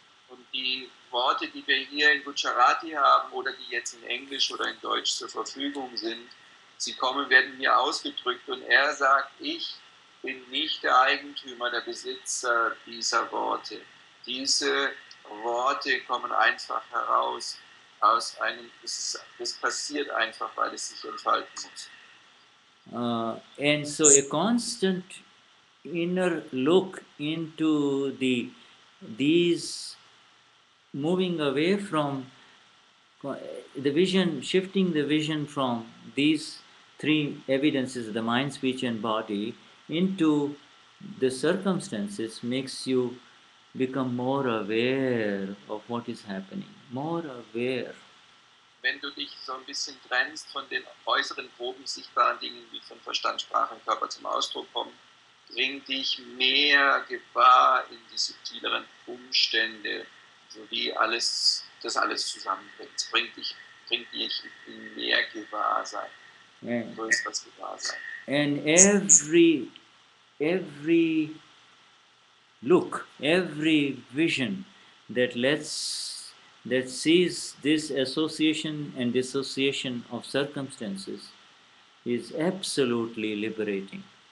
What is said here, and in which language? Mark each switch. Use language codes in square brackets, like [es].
[de] Und die Worte, die wir hier in Gujarati haben oder die jetzt in Englisch oder in Deutsch zur Verfügung sind, sie kommen, werden mir ausgedrückt und er sagt, ich bin nicht der Eigentümer, der Besitzer dieser Worte. Diese Worte kommen einfach heraus aus einem, es passiert einfach, weil es sich entfalten muss. [en] And so a constant inner look into these moving away from the vision, shifting the vision from these three evidences, the mind, speech and body, into the circumstances makes you become more aware of what is happening, more aware. [de] Wenn du dich so ein bisschen trennst von den äußeren, groben, sichtbaren Dingen, die von Verstand, Sprache und Körper zum Ausdruck kommen, bring dich mehr gewahr in die subtileren Umstände, so wie alles, das alles zusammenbringt. Bring dich in mehr Gewahrsein, in größeres Gewahrsein. [en] And every look, every vision that sees this association and dissociation of circumstances is absolutely liberating.